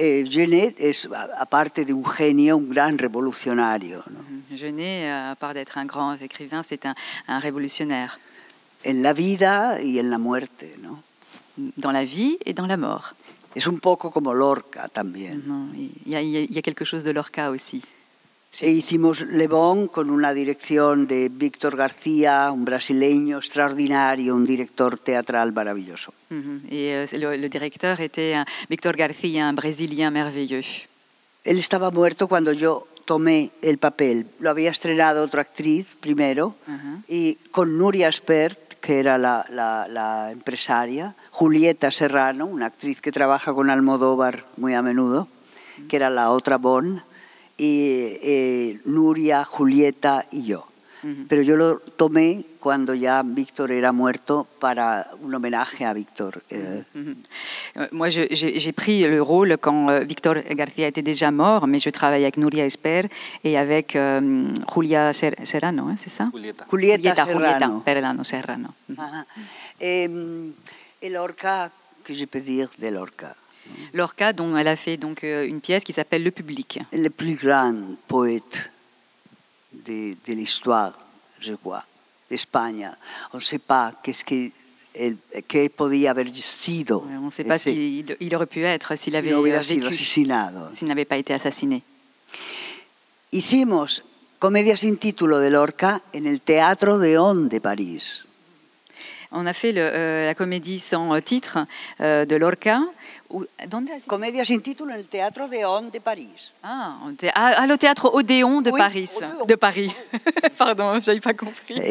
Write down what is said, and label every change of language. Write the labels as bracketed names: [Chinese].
[Spanish] Genet es, aparte de un genio, un gran revolucionario. ¿No? [French] Genet, a part d'être un grand écrivain, c'est un révolutionnaire. [Spanish] En la vida y en la muerte, ¿no? [French] Dans la vie et dans la mort. [Spanish] Es un poco como Lorca, también. [French] Il y a quelque chose de Lorca aussi. [Spanish] Sí, hicimos Le Bon con una dirección de Víctor García, un brasileño extraordinario, un director teatral maravilloso. Y el director era Víctor García, un brasileño maravilloso. Él estaba muerto cuando yo tomé el papel. Lo había estrenado otra actriz primero, y con Nuria Espert, que era la empresaria, Julieta Serrano, una actriz que trabaja con Almodóvar muy a menudo, que era la otra Bon. Y Nuria, Julieta y yo. Pero yo lo tomé cuando ya Víctor era muerto para un homenaje a Víctor. [French] Moi, j'ai pris le rôle quand Víctor García était déjà mort, mais je travaillais avec Nuria Espert et avec Julia Serrano, ¿eh? ¿C'est ça? Julieta Serrano. Et Lorca, que je peux dire de Lorca? Lorca, dont elle a fait donc une pièce qui s'appelle Le Public. Le plus grand poète de l'histoire, je crois, d'Espagne. On ne sait pas qu'est-ce qu'il pouvait avoir sido. On ne sait pas ce qu'il aurait pu être s'il avait vécu, s'il n'avait pas été assassiné. [Spanish] Hicimos comédia sin título de Lorca en el Teatro de On de París. [French] On a fait la comédie sans titre de Lorca. [Spanish] Comédie sin título en el Teatro de On de París. [French] Ah, le Teatro Odéon de Paris. Pardon, j'avais pas compris.